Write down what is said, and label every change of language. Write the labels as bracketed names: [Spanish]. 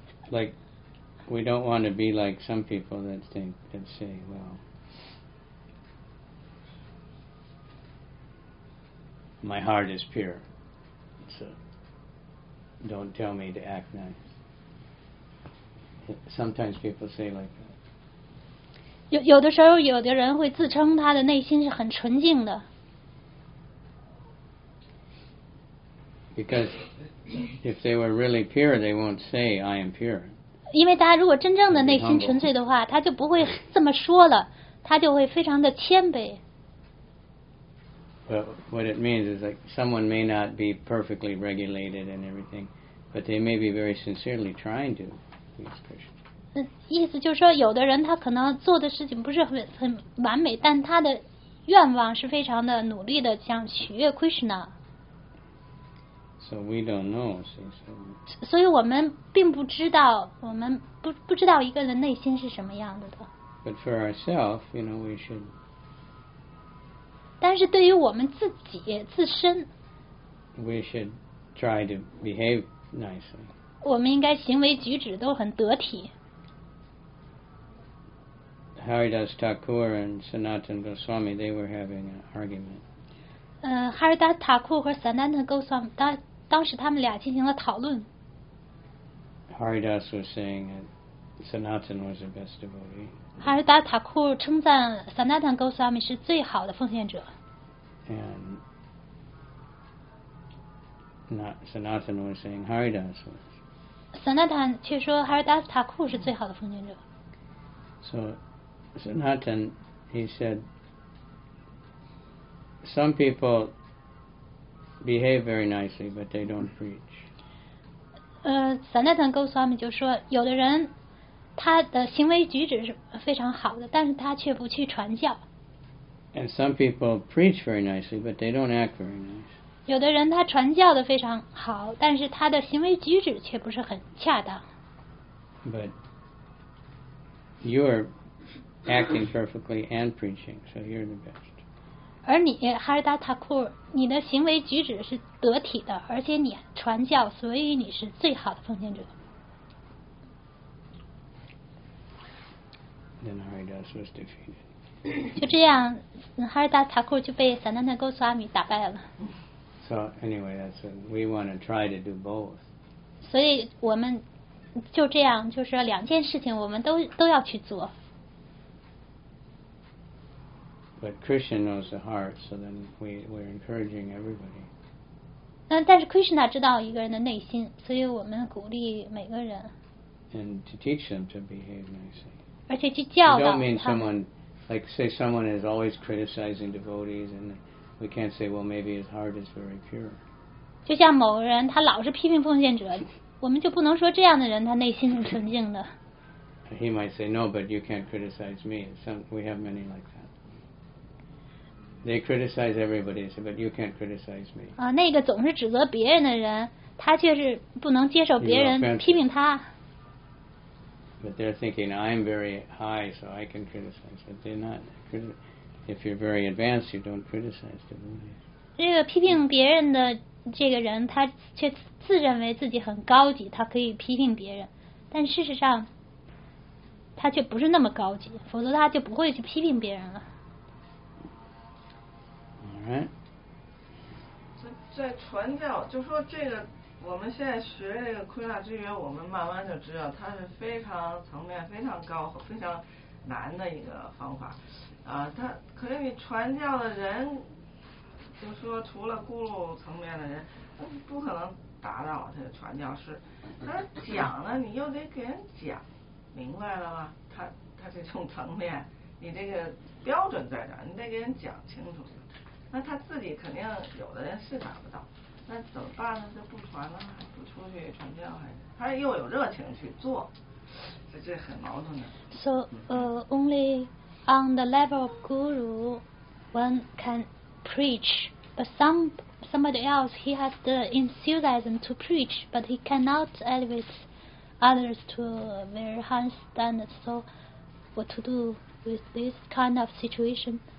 [English] Like, we don't want to be like some people that think and say, well, my heart is pure, so don't tell me to act nice. Sometimes people say like that. [Chinese] 有的时候有的人会自称他的内心是很纯净的。 [English] Because if they were really pure, they won't say, I am pure. [Chinese] 因为他如果真正的内心纯粹的话，他就不会这么说了，他就会非常的谦卑。 [English] But what it means is like someone may not be perfectly regulated and everything, but they may be very sincerely trying to please Krishna. [Chinese] 意思就是说有的人他可能做的事情不是 很完美，但他的愿望是非常的努力的想取悦 Krishna。 [English] So we don't know, so. [Chinese] 所以我们并不知道，我们 不知道一个人内心是什么样子的。 [English] But for ourselves, you know, we should [Chinese] 但是对于我们自己自身 [English] we should try to behave nicely. [Chinese] 我们应该行为举止都很得体。 [English] Haridas Thakur and Sanatan Goswami, they were having an argument. [Chinese] Haridas Thakur 和 Sanatan Goswami, 当时他们俩进行了讨论。 [English] Haridas was saying that Sanatan was the best devotee. [Chinese] Haridas Thakur 称赞 Sanatan Goswami 是最好的奉献者。 [English] And Sanatan was saying Haridas was. [Chinese] Sanatan 却说 Haridas Thakur 是最好的奉献者。 [English] So. Sanatan, he said, some people behave very nicely, but they don't preach. [Chinese] Sanatan Goswami 就说，有的人他的行为举止是非常好的，但是他却不去传教。 [English] And some people preach very nicely, but they don't act very nice. [Chinese] 有的人他传教的非常好，但是他的行为举止却不是很恰当。 [English] But you're acting perfectly and preaching, so you're the best. [Chinese] 而你哈尔达塔库尔，你的行为举止是得体的，而且你传教，所以你是最好的奉献者。 [English] Then Haridas was defeated. [Chinese] 就这样，哈尔达塔库尔就被萨南达戈斯瓦米打败了。 [English] So anyway, that's it. We want to try to do both. [Chinese] 所以我们就这样，就是两件事情，我们都要去做。 [English] But Krishna knows the heart, so then we're encouraging everybody. [Chinese] 但是 Krishna 知道一个人的内心，所以我们鼓励每个人。 [English] And to teach them to behave nicely. [Chinese] 而且去教导他。 [English] We don't mean someone, like say someone is always criticizing devotees, and we can't say, well, maybe his heart is very pure. [Chinese] 就像某人他老是批评奉献者，我们就不能说这样的人他内心是纯净的。 [English] He might say, no, but you can't criticize me. We have many like that. They criticize everybody, but you can't criticize me. [Chinese] 那个总是指责别人的人，他却是不能接受别人批评他。 [English] But they're thinking I'm very high, so I can criticize. But they're not. If you're very advanced, you don't criticize, do you? [Chinese] 这个批评别人的这个人，他却自认为自己很高级，他可以批评别人，但事实上，他却不是那么高级，否则他就不会去批评别人了。 [English] Right. [Chinese] 在传教就说这个我们现在学这个昆萨之约我们慢慢就知道它是非常层面非常高非常难的一个方法它可以传教的人就说除了咕噜层面的人不可能达到这个传教士但是讲呢你又得给人讲明白了吗它这种层面你这个标准在这儿你得给人讲清楚那他自己肯定有的人是达不到，那怎么办呢？就不传了，不出去传教，还是他又有热情去做，这很矛盾的。 [English] So, only on the level of guru, one can preach, but somebody else he has the enthusiasm to preach, but he cannot elevate others to a very high standard. So, what to do with this kind of situation?